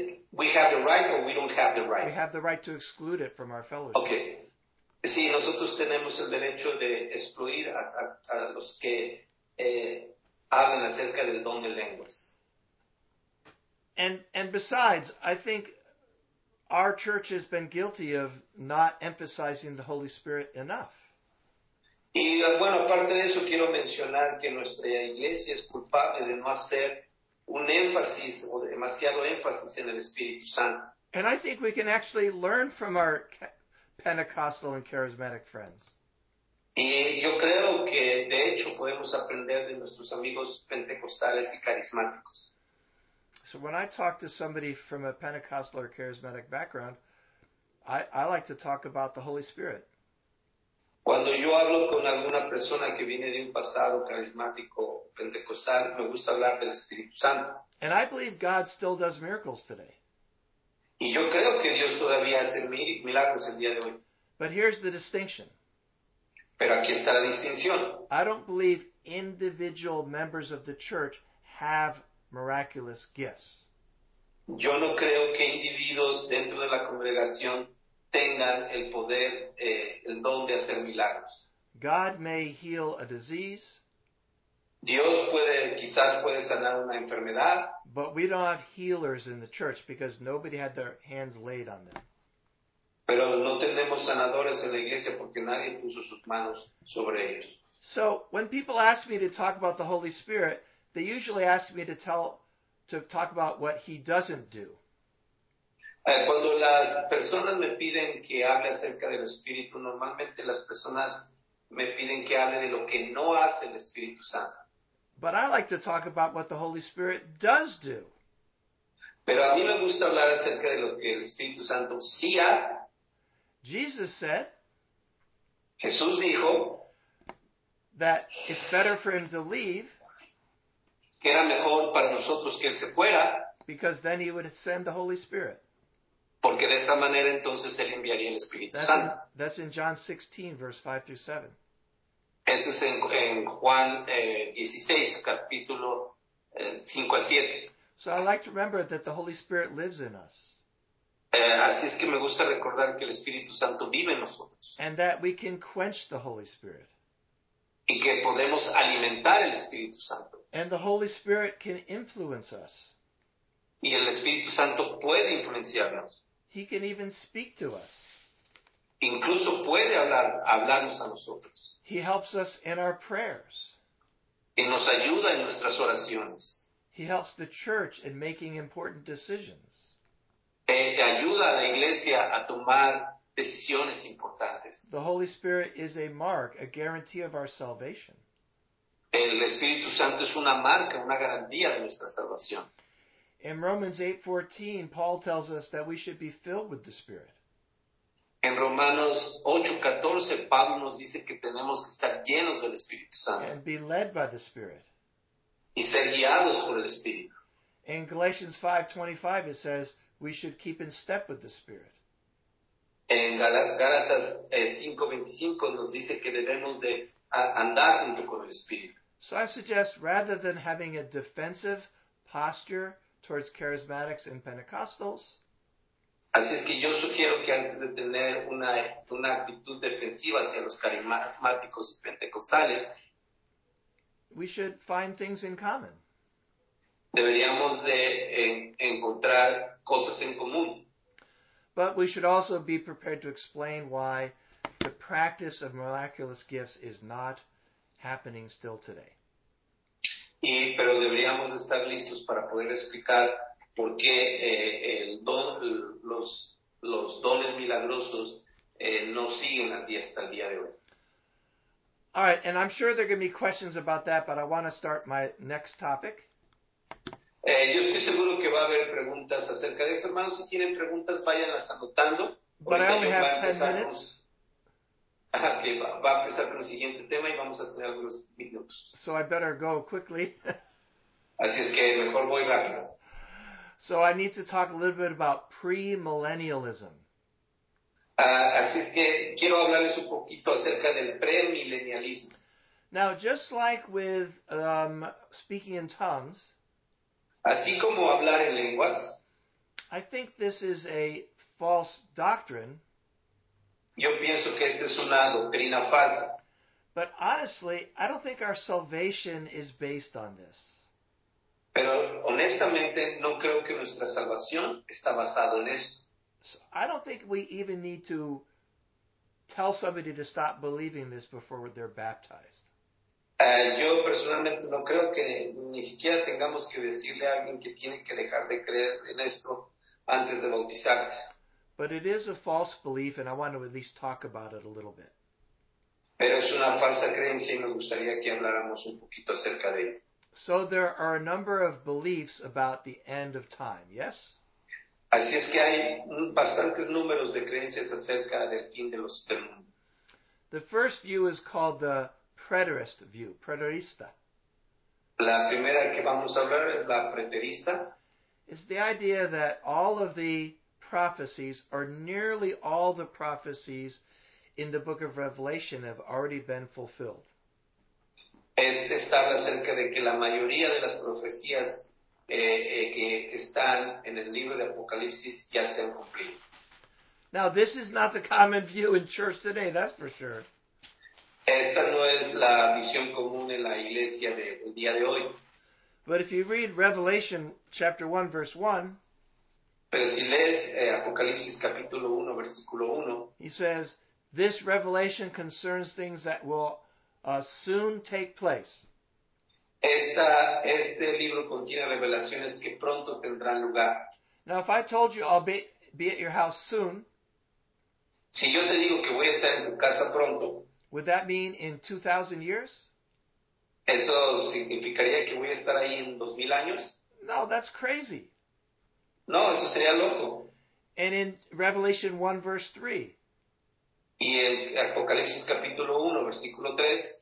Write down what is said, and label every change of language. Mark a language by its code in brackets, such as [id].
[en] We have the right or we don't have the right? We have the right to exclude it from our fellowship. Okay. [es] Sí, nosotros tenemos el derecho de excluir a los que hablan acerca del don de lenguas. [en] And besides, I think our church has been guilty of not emphasizing the Holy Spirit enough. [es] Y bueno, aparte de eso, quiero mencionar que nuestra iglesia es culpable de no hacer un énfasis o demasiado énfasis en el Espíritu Santo. [en] And I think we can actually learn from our Pentecostal and charismatic friends. [es] Y yo creo que, de hecho, podemos aprender de nuestros amigos pentecostales y carismáticos. [en] So when I talk to somebody from a Pentecostal or charismatic background, I like to talk about the Holy Spirit. [es] Cuando yo hablo con alguna persona que viene de un pasado carismático pentecostal, me gusta hablar del Espíritu Santo. [en] And I believe God still does miracles today. [es] Y yo creo que Dios todavía hace milagros el día de hoy. [en] But here's the distinction. [es] Pero aquí está la distinción. [en] I don't believe individual members of the church have miraculous gifts. [es] Yo no creo que individuos dentro de la congregación tengan el poder, el don de hacer milagros. [en] God may heal a disease. [es] Dios puede, quizás puede sanar una enfermedad. [en] But we don't have healers in the church because nobody had their hands laid on them. [es] Pero no tenemos sanadores en la iglesia porque nadie puso sus manos sobre ellos. [en] So when people ask me to talk about the Holy Spirit, they usually ask me to talk about what he doesn't do. [es] Cuando las personas me piden que hable acerca del Espíritu, normalmente las personas me piden que hable de lo que no hace el Espíritu Santo. [en] But I like to talk about what the Holy Spirit does do. [es] Pero a mí me gusta hablar acerca de lo que el Espíritu Santo sí hace. [en] Jesus said, [es] Jesús dijo, [en] that it's better for him to leave, [es] que era mejor para nosotros que él se fuera, [en] because then he would send the Holy Spirit. [es] Porque de esa manera entonces él enviaría el Espíritu [en] that's [es] Santo. [en] That's in John 16, verse 5 through 7. [es] Ese es en Juan 16, capítulo 5 al 7. [en] So I like to remember that the Holy Spirit lives in us. [es] Así es que me gusta recordar que el Espíritu Santo vive en nosotros. [en] And that we can quench the Holy Spirit. [es] Y que podemos alimentar el Espíritu Santo. [en] And the Holy Spirit can influence us. [es] Y el Espíritu Santo puede influenciarnos. [en] He can even speak to us. [es] Incluso puede hablarnos a nosotros. [en] He helps us in our prayers. [es] Y nos ayuda en nuestras oraciones. [en] He helps the church in making important decisions. [es] Te ayuda a la iglesia a tomar decisiones importantes. [en] The Holy Spirit is a mark, a guarantee of our salvation. [es] El Espíritu Santo es una marca, una garantía de nuestra salvación. [en] In Romans 8:14, Paul tells us that we should be filled with the Spirit. [es] En Romanos 8:14, Pablo nos dice que tenemos que estar llenos del Espíritu Santo. [en] And be led by the Spirit. [es] Y ser guiados por el Espíritu. [en] In Galatians 5:25, it says we should keep in step with the Spirit. [es] En Gálatas 5:25 nos dice que debemos de andar junto con el Espíritu. [en] So I suggest, rather than having a defensive posture towards charismatics and Pentecostals, [es] así es que yo sugiero que antes de tener una actitud defensiva hacia los carismáticos y pentecostales, [en] we should find things in common. [es] Deberíamos de encontrar cosas en común. [en] But we should also be prepared to explain why the practice of miraculous gifts is not happening still today. [es] Pero deberíamos estar listos para poder explicar por qué los dones milagrosos no siguen hasta el día de hoy. [en] All right, and I'm sure there are going to be questions about that, but I want to start my next topic. [es] Yo estoy seguro que va a haber preguntas acerca de esto, hermanos. Si tienen preguntas, váyanlas anotando. [en] But I only have 10 minutes. [es] Okay, va a empezar con el siguiente tema y vamos a tener algunos minutos. [en] So I better go quickly. [es] Así es que mejor voy rápido. [en] So I need to talk a little bit about premillennialism. [es] Así es que quiero hablarles un poquito acerca del premillennialismo. [en] Now, just like with speaking in tongues, [es] así como hablar en lenguas, [en] I think this is a false doctrine. [es] Yo pienso que esta es una doctrina falsa. [en] But honestly, I don't think our salvation is based on this. [es] Pero honestamente, no creo que nuestra salvación está basada en esto. [en] So I don't think we even need to tell somebody to stop believing this before they're baptized. [es] Yo personalmente no creo que ni siquiera tengamos que decirle a alguien que tiene que dejar de creer en esto antes de bautizarse. [en] But it is a false belief, and I want to at least talk about it a little bit. [es] Pero es una falsa creencia y me gustaría que habláramos un poquito acerca de ello. [en] So there are a number of beliefs about the end of time, yes? [es] Así es que hay bastantes números de creencias acerca del fin de los tiempos. [en] The first view is called the preterist view, preterista. [es] La primera que vamos a hablar es la preterista. [en] It's the idea that all of the prophecies, or nearly all the prophecies in the book of Revelation, have already been fulfilled. [es] Está acerca de que la mayoría de las profecías que están en el libro de Apocalipsis ya se han cumplido. [en] Now, this is not the common view in church today, that's for sure. [es] Esta no es la visión común en la iglesia del día de hoy. [en] But if you read Revelation chapter 1, verse 1, [es] pero si lees Apocalipsis capítulo 1, versículo 1, [en] he says, this revelation concerns things that will soon take place. [es] Este libro contiene revelaciones que pronto tendrán lugar. [en] Now, if I told you I'll be at your house soon, [es] si yo te digo que voy a estar en tu casa pronto, [en] would that mean in 2,000 years? [es] ¿Eso significaría que voy a estar ahí en 2,000 años? [en] No, that's crazy. [es] No, eso sería loco. [en] And in Revelation 1, verse 3, [es] y en Apocalipsis capítulo 1, versículo 3,